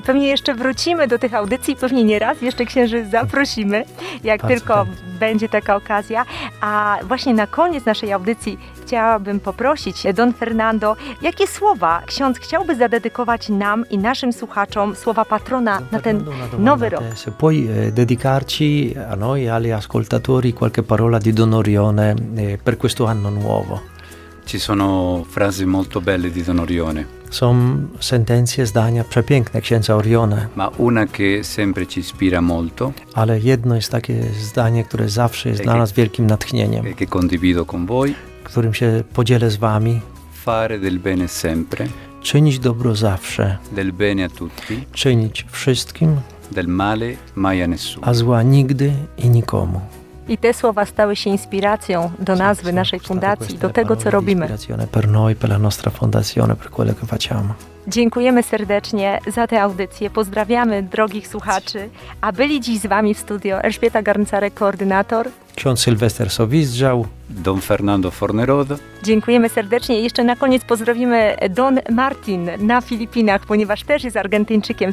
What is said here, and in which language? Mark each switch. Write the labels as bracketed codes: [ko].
[pl] Pewnie jeszcze wrócimy do tych audycji, pewnie nie raz jeszcze księży zaprosimy, jak bardzo tylko chętnie będzie taka okazja. A właśnie na koniec naszej audycji chciałabym poprosić Don Fernando, jakie słowa ksiądz chciałby zadedykować nam i naszym słuchaczom, słowa patrona na ten nowy rok? [it] Se puoi dedicarci a noi agli ascoltatori qualche parola di Don Orione per questo anno nuovo. Ci sono frasi molto belle di Don Orione. [pl] Są sentencje, zdania przepiękne księdza Orione. [it] Ma una che sempre ci ispira molto. [pl] Ale jedno jest takie zdanie, które zawsze jest dla nas wielkim natchnieniem. [it] E che condivido con voi. [pl] Którym się podzielę z wami. [it] Fare del bene sempre. [pl] Czynić dobro zawsze. [it] Del bene a tutti. [pl] Czynić wszystkim. [it] Del male mai a nessuno. [pl] A zła nigdy i nikomu. I te słowa stały się inspiracją do nazwy naszej fundacji, do tego, co robimy. [it] Per noi, per la nostra fondazione, per quello che facciamo. [pl] Dziękujemy serdecznie za tę audycję. Pozdrawiamy drogich słuchaczy. A byli dziś z wami w studio Elżbieta Garncarek, koordynator. Ksiądz Sylwester Sowizdżał. Don Fernando Fornerodo. Dziękujemy serdecznie. Jeszcze na koniec pozdrowimy Don Martin na Filipinach, ponieważ też jest Argentyńczykiem.